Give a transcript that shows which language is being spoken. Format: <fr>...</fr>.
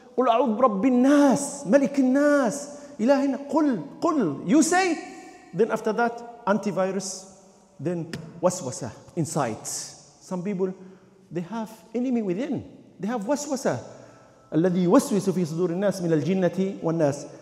<ar>قل أعوذ برب الناس ملك الناس إلهنا. قل قل.</ar> <en>You say, then after that antivirus, then waswasa inside. Some people, they have enemy within, they have waswasa.</en> <ar>الذي يوسوس في صدور الناس من الجنة والناس.</ar>